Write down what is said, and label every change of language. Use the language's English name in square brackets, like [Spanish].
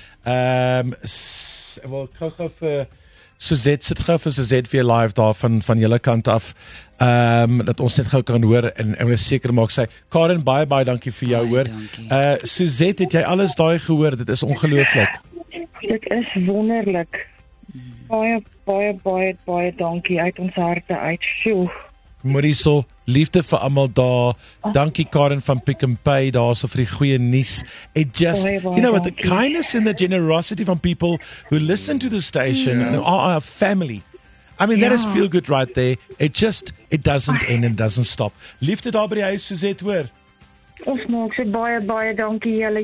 [Afrikaans] Wel, ek gaan vir Suzette, sit gaan vir Suzette weer live daar van julle kant af, dat ons net gou kan hoor en ons seker maak sy. Karen, baie, baie dankie vir jou, baie hoor. Dankie. Suzette, het jy alles daai gehoor? Dit is ongelooflik. Dit is wonderlik. Baie dankie uit ons harte uit. Moriso, liefde vir almal daar. Dankie Karen van Pick n Pay daarso vir die goeie nuus. [English] It just, you know, with the kindness and the generosity from people who listen to the station and are our family. I mean, that is feel good right there. It doesn't end and doesn't stop. [Afrikaans] Liefde daar by die huis, Suzette, hoor. Ons maak so baie dankie julle.